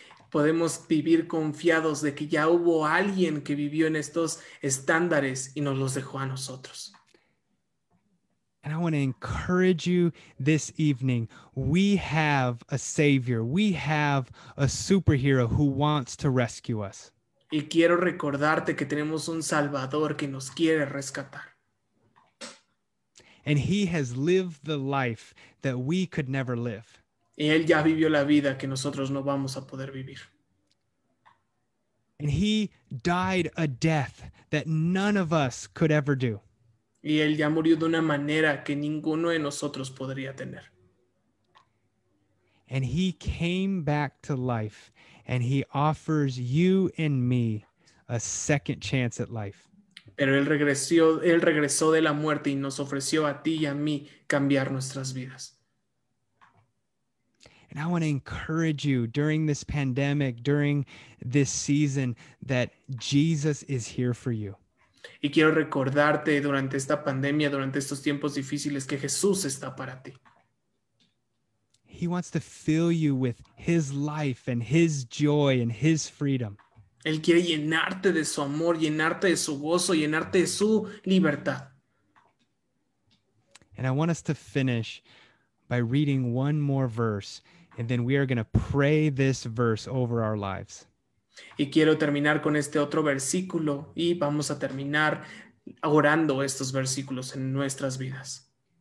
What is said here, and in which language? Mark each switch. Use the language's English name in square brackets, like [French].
[Spanish] Podemos vivir confiados de que ya hubo alguien que vivió en estos estándares y nos los dejó a nosotros. [English] And I want to encourage you this evening. We have a Savior. We have a superhero who wants to rescue us. [Spanish] Y quiero recordarte que tenemos un Salvador que nos quiere rescatar. [English] And he has lived the life that we could never live. [Spanish] Y él ya vivió la vida que nosotros no vamos a poder vivir. [English] And he died a death that none of us could ever do. [Spanish] Y él ya murió de una manera que ninguno de nosotros podría tener. [English] And he came back to life and he offers you and me a second chance at life. [Spanish] Pero él regresó de la muerte y nos ofreció a ti y a mí cambiar nuestras vidas. [English] And I want to encourage you during this pandemic, during this season, that Jesus is here for you. [Spanish] Y quiero recordarte durante esta pandemia, durante estos tiempos difíciles, que Jesús está para ti. [English] He wants to fill you with his life and his joy and his freedom. [Spanish] Él quiere llenarte de su amor, llenarte de su gozo, llenarte de su libertad. [English] And I want us to finish by reading one more verse, and then we are going to pray this verse over our lives. [Spanish] Y quiero terminar con este otro versículo y vamos a terminar orando estos versículos en nuestras vidas.